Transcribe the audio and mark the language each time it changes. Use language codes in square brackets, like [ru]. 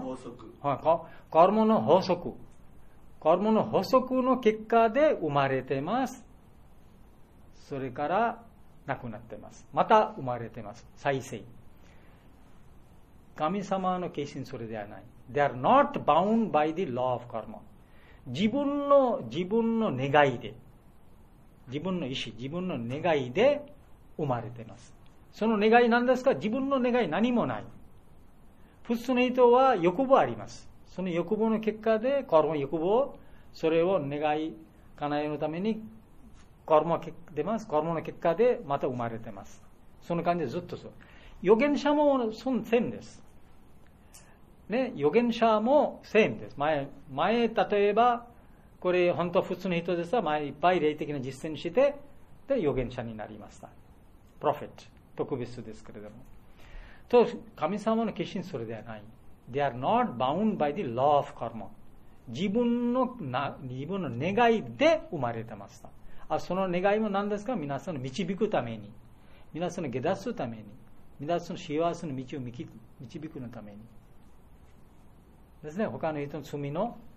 [ja] 法則。はい、カルマの法則。カルマの法則の結果で生まれてます。それから、亡くなってます。また生まれてます。再生。神様の化身それではない。 [en] They are not bound by the law of karma. [ja] 自分の願いで、自分の意思、自分の願いで生まれてます。その願い何ですか？自分の願い何もない。普通の人は欲望あります。その欲望の結果で、カルマ欲望、それを願い叶えのために、コルモ出ます。コルモの結果でまた生まれてます。その感じでずっとそう。預言者もそのセームです。ね、預言者もセームです。前例えば、これ本当は普通の人ですが、前いっぱい霊的な実践して、で、預言者になりました。プロフェット、特別ですけれども。と、神様の化身それではない。 [en] They are not bound by the law of karma. [ja] 自分の願いで生まれてました。あ、その願いも何ですか？皆さんを導くために、皆さんを下脱するために、皆さんの幸せの道を導くのために。ですね、他の人の罪の